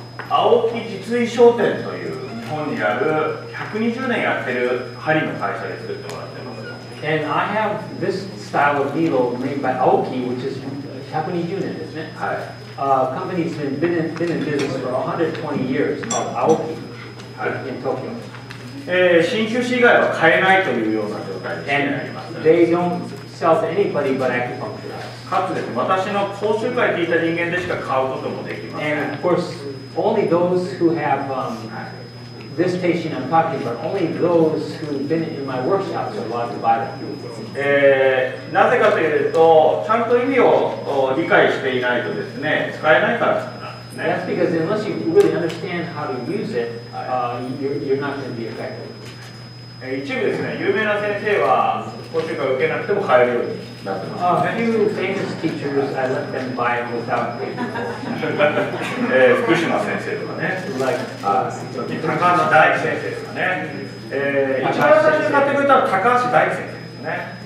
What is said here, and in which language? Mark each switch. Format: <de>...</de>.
<ja>青木実衣商店という日本にある120年やってる針の会社で作ってもらってます。</ja> <en>And I have this style of needle made by Aoki, which is 120</en> <ja>年ですね。はい。</ja> <en>Company's been in business for 120 years called Aoki、はい、in Tokyo.</en> <ja>新旧市以外は買えないというような状態です、ね。</ja> <en>And they don't sell to anybody but acupuncture.</en> <ja>かつですね、私の講習会聞いた人間でしか買うこともできません。</ja> <en>And of course, only those who have、This patient I'm talking about, only those who've been in my workshops are allowed to buy the tool.</en> <ja>なぜかというと、ちゃんと意味を理解していないとですね、使えないからですね。</ja> <en>That's because unless you really understand how to use it, you're not going to be effective.</en> <ja>一部ですね、有名な先生は講習会を受けなくても買えるようになってます。</ja> <en>A few famous teachers, I let them buy it without paying for</en> <ja>it. 福島先生とかね。</ja> <en>Like,</en> <ja>高橋大先生とかね。一番最初に買ってくれたのは高橋大先生ですね。</ja>